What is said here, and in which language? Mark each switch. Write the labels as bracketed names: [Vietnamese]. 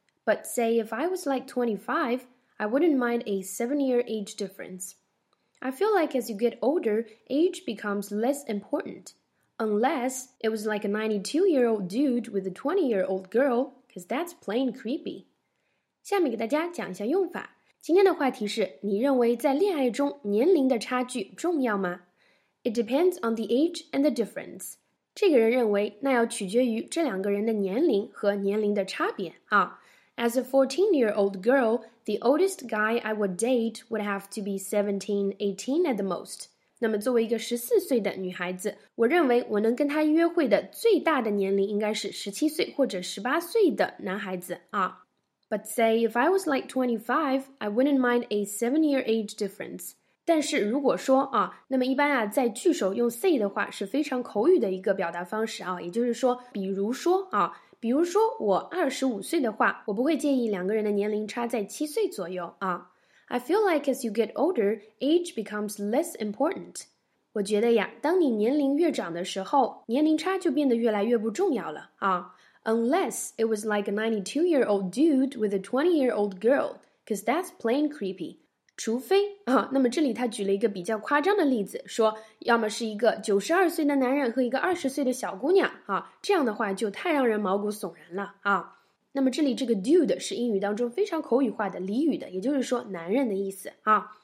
[English] But say if I was like 25, I wouldn't mind a 7-year age difference. I feel like as you get older, age becomes less important. Unless it was like a 92-year-old dude with a 20-year-old girl,Because that's plain creepy. [Chinese] 下面给大家讲一下用法。今天的话题是，你认为在恋爱中年龄的差距重要吗？ [English] It depends on the age and the difference. [Chinese] 这个人认为，那要取决于这两个人的年龄和年龄的差别。 [English] As a 14-year-old girl, the oldest guy I would date would have to be 17, 18 at the most. [Chinese] 那么作为一个14岁的女孩子，我认为我能跟她约会的最大的年龄应该是17岁或者18岁的男孩子啊。 [English] But say if I was like 25, I wouldn't mind a 7-year age difference. [Chinese] 但是如果说啊，那么一般啊，在句首用 say 的话是非常口语的一个表达方式啊，也就是说，比如说啊，比如说我25岁的话，我不会介意两个人的年龄差在7岁左右啊。 [English] I feel like as you get older, age becomes less important. [Chinese] 我觉得呀，当你年龄越长的时候，年龄差就变得越来越不重要了啊。 [English] Unless it was like a 92-year-old dude with a 20-year-old girl, because that's plain creepy. [Chinese] 除非啊，那么这里他举了一个比较夸张的例子，说要么是一个92岁的男人和一个20岁的小姑娘啊，这样的话就太让人毛骨悚然了啊。那么这里这个 dude 是英语当中非常口语化的俚语的，也就是说男人的意思啊。